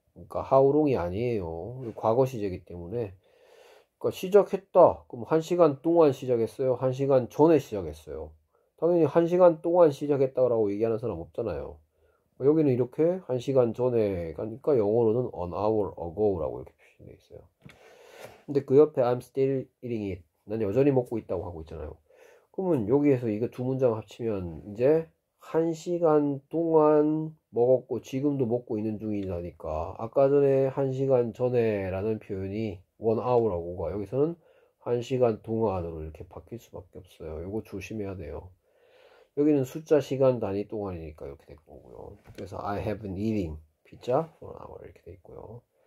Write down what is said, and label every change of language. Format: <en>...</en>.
<ko>그러니까 how long이 아니에요. 과거 시제이기 때문에. 그러니까 시작했다. 그럼 1시간 동안 시작했어요? 1시간 전에 시작했어요? 당연히 1시간 동안 시작했다라고 얘기하는 사람 없잖아요. 여기는 이렇게 1시간 전에 가니까 영어로는 an hour ago라고 이렇게 표시되어 있어요. 근데 그 옆에</ko> <en>I'm still eating it.</en> <ko>난 여전히 먹고 있다고 하고 있잖아요. 그러면 여기에서 이거 두 문장 합치면 이제 1시간 동안 먹었고 지금도 먹고 있는 중이라니까. 아까 전에 1시간 전에라는 표현이 one hour라고가 여기서는 1시간 동안으로 이렇게 바뀔 수밖에 없어요. 이거 조심해야 돼요. 여기는 숫자 시간 단위 동안이니까 이렇게 될 거고요.</ko> <en>그래서 I have been eating pizza for an hour</en> <ko>이렇게 돼 있고요.</ko>